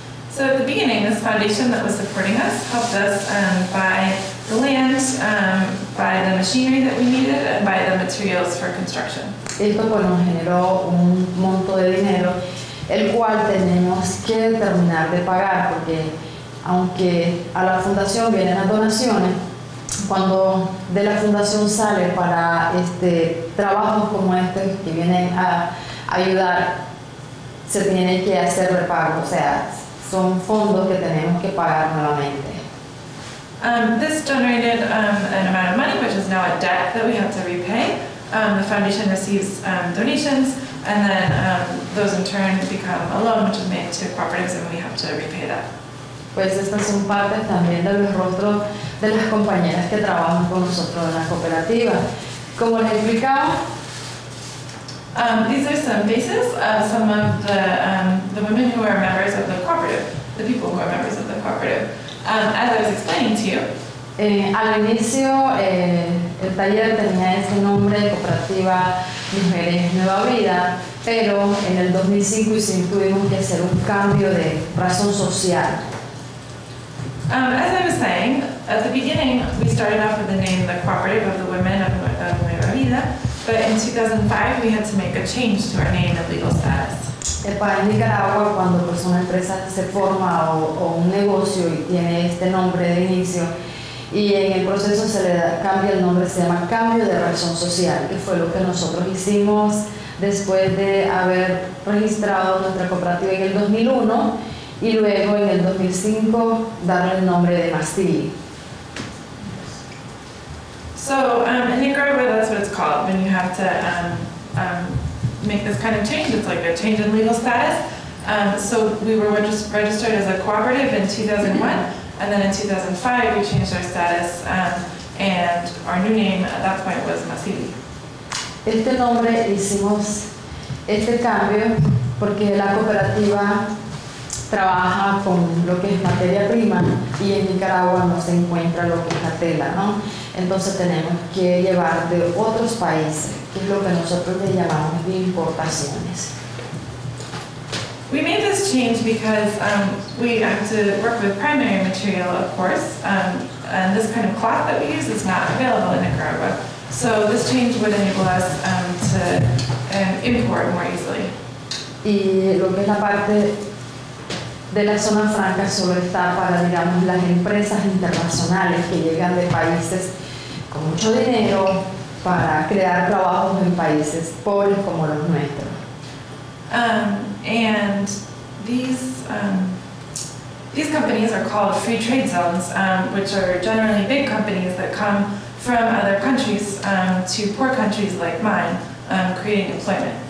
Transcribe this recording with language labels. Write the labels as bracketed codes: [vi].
[en] So at the beginning, this foundation that was supporting us helped us buy the land, buy the machinery that we needed, and buy the materials for construction. [es] Esto pues nos generó un monto de dinero, el cual tenemos que terminar de pagar, porque aunque a la fundación vienen las donaciones, cuando de la fundación sale para este trabajos como este que vienen a ayudar, se tiene que hacer repago, o sea, son fondos que tenemos que pagar nuevamente. [en] This generated an amount of money, which is now a debt that we have to repay. The foundation receives donations, and then those in turn become a loan, which is made to cooperatives, and we have to repay that. [es] Pues estas son partes también de los rostros de las compañeras que trabajan con nosotros en la cooperativa. Como les explicaba, [en] These are some faces of some of the women who are members of the cooperative, the people who are members of the cooperative. As I was explaining to you, [es] Al inicio, el taller tenía ese nombre, Cooperativa Mujeres Nueva Vida, pero en el 2005 tuvimos que hacer un cambio de razón social. [en] As I was saying, at the beginning, we started off with the name the Cooperative of the Women of Nueva Vida, but in 2005, we had to make a change to our name and legal status. [es] Para Nicaragua, cuando una empresa se forma o un negocio y tiene este nombre de inicio, y en el proceso se le da, cambia el nombre, se llama cambio de razón social, que fue lo que nosotros hicimos después de haber registrado nuestra cooperativa en el 2001 y luego en el 2005 darle el nombre de Mastili. [en] So, in Nicaragua, that's what it's called when you have to make this kind of change. It's like a change in legal status. So, we were registered as a cooperative in 2001. And then in 2005, we changed our status, and our new name at that point was Masili. [es] Este nombre hicimos este cambio porque la cooperativa trabaja con lo que es materia prima y en Nicaragua no se encuentra lo que es la tela, ¿no? Entonces tenemos que llevar de otros países, que es lo que nosotros le llamamos de importaciones. [en] We made this change because we have to work with primary material, of course, and this kind of cloth that we use is not available in Nicaragua. So this change would enable us to import more easily. [es] Y lo que es la parte de la zona franca solo está para, digamos, las empresas internacionales que llegan de países con mucho dinero para crear trabajos en países pobres como los nuestros. [en] And these companies are called free trade zones, which are generally big companies that come from other countries to poor countries like mine, creating employment.